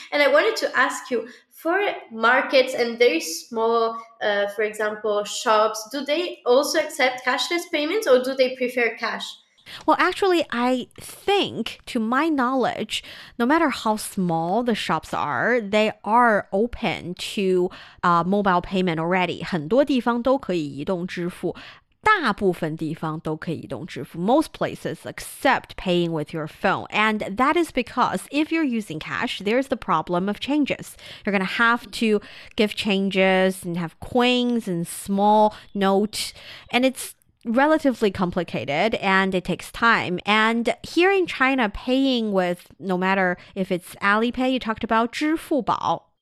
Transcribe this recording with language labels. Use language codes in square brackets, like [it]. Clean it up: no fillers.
[en] And I wanted to ask you, for markets and very small, for example, shops, do they also accept cashless payments or do they prefer cash? Well, actually, I think, to my knowledge, no matter how small the shops are, they are open to mobile payment already. [zh] 很多地方都可以移动支付。大部分地方都可以移动支付。 [en] Most places accept paying with your phone. And that is because if you're using cash, there's the problem of changes. You're going to have to give changes and have coins and small note. And it'sRelatively complicated and it takes time. And here in China, paying with, no matter if it's Alipay, you talked about 支付宝。